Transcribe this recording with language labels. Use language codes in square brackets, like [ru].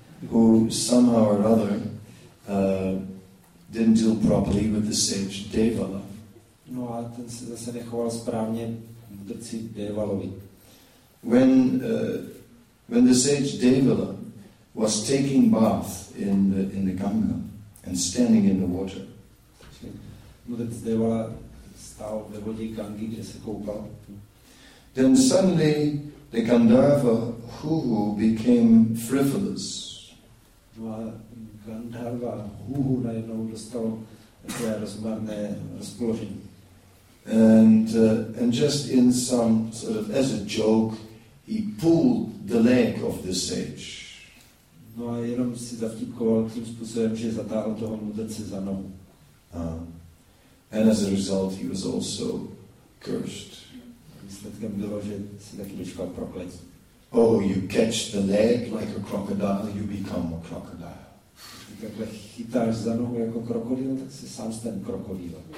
[en] Who somehow or other didn't deal properly with the sage Devala. [cs] No a ten se zase nechoval správně mudrci Devalovi. [en] When the sage Devala was taking bath in the Ganga and standing in the water. [cs] Mudrc Devala stál ve vodě Gangy, kde se koupal. [en] Then suddenly the Gandharva Huhu became frivolous. [cs] No a Gandharva Huhu najednou dostal takové rozmarné rozpoložení. [en] And just in some sort of as a joke, he pulled the leg of the sage. [cs] No a jenom si zavtipkoval tím způsobem, že zatáhl toho mudrce za nohu. [en] And as a result, he was also cursed. [cs] Výsledkem bylo, že si taky dočkal prokletí. [en] Oh, you catch the leg like a crocodile, you become a crocodile. [cs] Když takhle chytáš za nohu jako krokodil, tak si sám ten krokodil.